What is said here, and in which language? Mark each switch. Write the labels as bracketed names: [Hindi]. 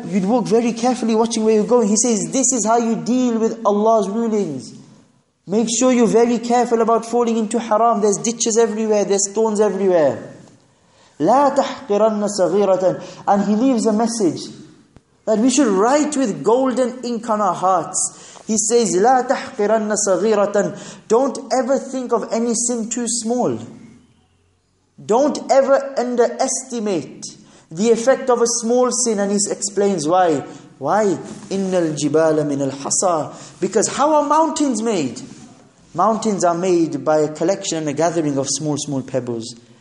[English] You'd walk very carefully, watching where you're going. He says, this is how you deal with Allah's rulings. Make sure you're very careful about falling into haram. There's ditches everywhere. There's stones everywhere. [Arabic] لَا تَحْقِرَنَّ صَغِيرَةً. [English] And he leaves a message that we should write with golden ink on our hearts. He says, [Arabic] لَا تَحْقِرَنَّ صَغِيرَةً. [English] Don't ever think of any sin too small. Don't ever underestimate the effect of a small sin. And he explains why. Why? [Arabic] إِنَّ الْجِبَالَ مِنَ الْحَصَى. [English] Because how are mountains made? Mountains are made by a collection and a gathering of small, small pebbles.